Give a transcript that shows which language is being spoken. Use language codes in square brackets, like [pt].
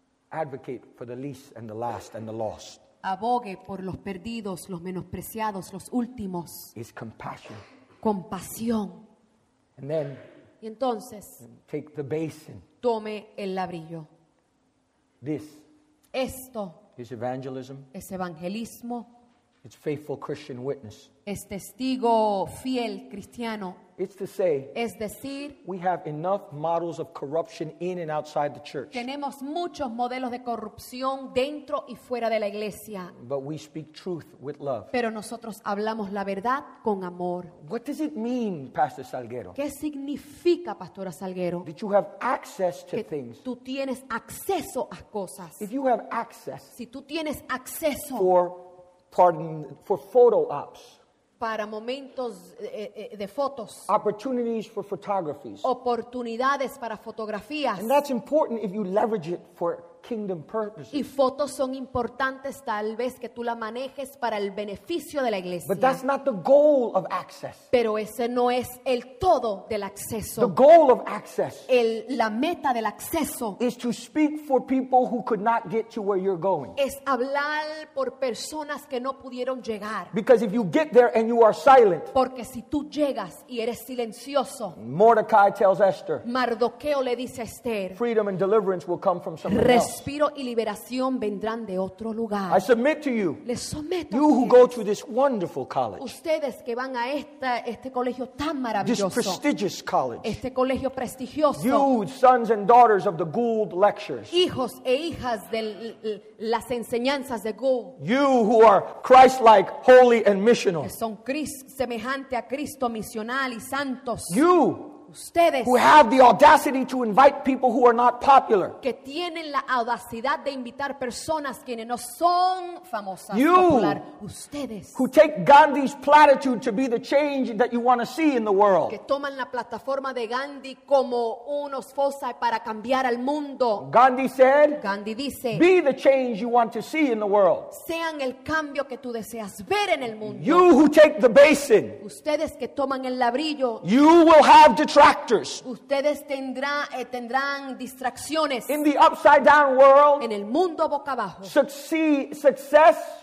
[en] Advocate for the least and the last and the lost. [es] abogue por los perdidos, los menospreciados, los últimos. [en] Is compassion. [es] Compasión. [en] And then, [es] y entonces, [en] take the basin. [es] Tome el labrillo. [en] This. [es] Esto. [en] Is evangelism. [es] Es evangelismo. [en] It's faithful Christian witness. [es] Es testigo fiel cristiano. [en] It's to say, [es] es decir, [en] we have enough models of corruption in and outside the church. [es] Tenemos muchos modelos de corrupción dentro y fuera de la iglesia. [en] But we speak truth with love. [es] Pero nosotros hablamos la verdad con amor. [en] What does it mean, Pastor Salguero? [es] ¿Qué significa, Pastora Salguero? [en] That you have access to things. [es] Tú tienes acceso a cosas. [en] If you have access. [es] Si tú tienes acceso. [en] For photo ops. [es] Para momentos de fotos. [en] Opportunities for photographies. [es] Oportunidades para fotografías. [en] And that's important if you leverage it for kingdom purposes. [es] Y fotos son importantes tal vez que tú la manejes para el beneficio de la iglesia. [en] But that's not the goal of access. [es] Pero ese no es el todo del acceso. [en] The goal of access. [es] La meta del acceso. [en] Is to speak for people who could not get to where you're going. [es] Es hablar por personas que no pudieron llegar. [en] Because if you get there and you are silent. [es] Porque si tú llegas y eres silencioso. [en] Mordecai tells Esther. [es] Mardoqueo le dice a Esther. [en] Freedom and deliverance will come from somebody. [es] Respiro y liberación vendrán de otro lugar. [en] I submit to you. [es] Les someto. [en] You who go to this wonderful college. [es] Ustedes que van a este colegio tan maravilloso. [en] This prestigious college. [es] Este colegio prestigioso. [en] You sons and daughters of the Gould lectures. [es] Hijos e hijas de las enseñanzas de Gould. [en] You who are Christ-like, holy and missional. [es] Que son semejante a Cristo misional y santos. [en] You. [es] Ustedes, [en] who have the audacity to invite people who are not popular. [es] Que tienen la audacidad de invitar personas quienes no son famosas. [en] You. [es] Popular. Ustedes, [en] who take Gandhi's platitude to be the change that you want to see in the world. [es] Que toman la plataforma de Gandhi como unos foci para cambiar al mundo. [en] Gandhi said. [es] Gandhi dice. [en] Be the change you want to see in the world. [es] Sean el cambio que tú deseas ver en el mundo. [en] You who take the basin. [es] Ustedes que toman el labrillo. [en] You will have the detractors. [es] Ustedes tendrán distracciones. [en] In the upside down world, [es] en el mundo boca abajo, [en] success